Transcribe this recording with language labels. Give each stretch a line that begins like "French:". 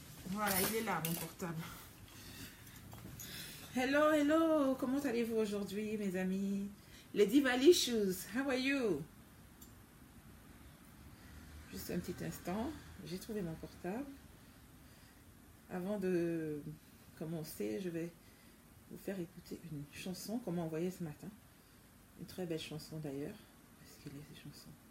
French: Voilà, il est là, mon portable.
English: Hello, hello.
French: Comment allez-vous aujourd'hui, mes amis?
English: Lady Valicious, how are you?
French: Juste un petit instant, j'ai trouvé mon portable. Avant de commencer, je vais vous faire écouter une chanson qu'on m'a envoyée ce matin. Une très belle chanson d'ailleurs. Est-ce qu'il y a ces chansons?